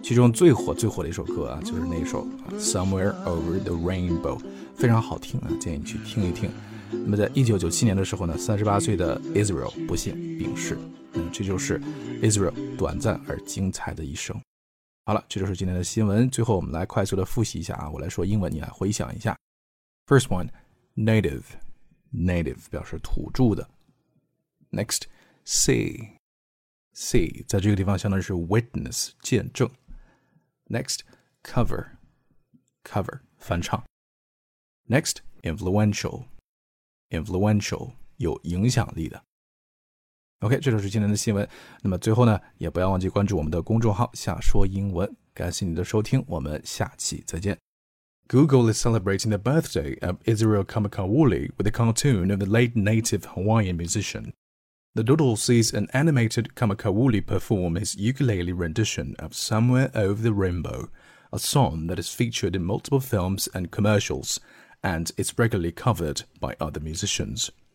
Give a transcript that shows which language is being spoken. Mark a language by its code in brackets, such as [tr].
[zh] 其中最火最火的一首歌啊，就是那首 Somewhere Over the Rainbow， 非常好听啊，建议你去听一听。那么在1997年的时候呢，38岁的 Israel 不幸病逝。这就是 Israel 短暂而精彩的一生。好了，这就是今天的新闻。最后我们来快速的复习一下啊，我来说英文，你来回想一下。 First one， Native， Native 表示土著的。 NextSee 在这个地方相当于是 witness 见证。 Next cover 翻唱。 Next influential 有影响力的。 OK， 这就是今天的新闻。那么最后呢也不要忘记关注我们的公众号下说英文，感谢你的收听，我们下期再见。 [en] Google is celebrating the birthday of Israel Kamakawuli with a cartoon of the late native Hawaiian musician. The doodle sees an animated Kamakawuli perform his ukulele rendition of Somewhere Over the Rainbow, a song that is featured in multiple films and commercials, and is regularly covered by other musicians.